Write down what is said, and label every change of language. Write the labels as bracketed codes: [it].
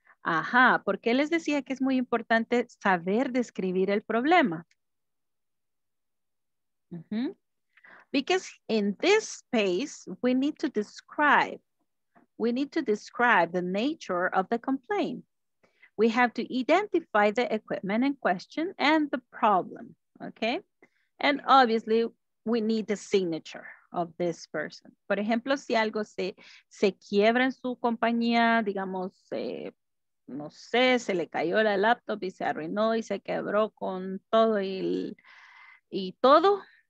[es] Ajá, ¿por qué les decía que es muy importante saber describir el problema? Mm-hmm. [en] Because in this space, we need to describe. We need to describe the nature of the complaint. We have to identify the equipment in question and the problem. Okay, and obviously we need the signature of this person. [es] Por ejemplo, si algo se quiebra en su compañía, digamos, no sé, se le cayó la laptop y se arruinó y se quebró con todo y todo.